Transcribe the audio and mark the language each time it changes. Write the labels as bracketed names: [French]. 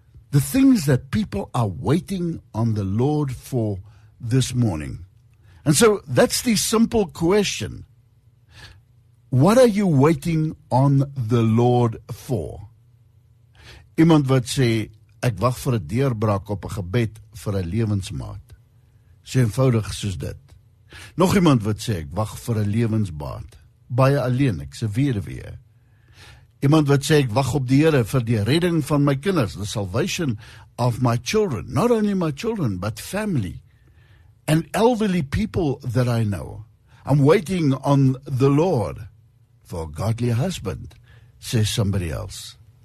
[English] The things that people are waiting on the Lord for this morning. And so that's the simple question. What are you waiting on the Lord for? [Afrikaans] Iemand wat sê, ek wag vir 'n deurbraak op 'n gebed vir 'n lewensmaat. So eenvoudig soos dit. Nog iemand wat sê, ek wag vir 'n lewensbaat. Baie alleen, ek se weduwee. Iemand wat sê, ek wag op die Here vir die redding van my kinders, [English] the salvation of my children, not only my children, but family and elderly people that I know. I'm waiting on the Lord for a godly husband, says somebody else.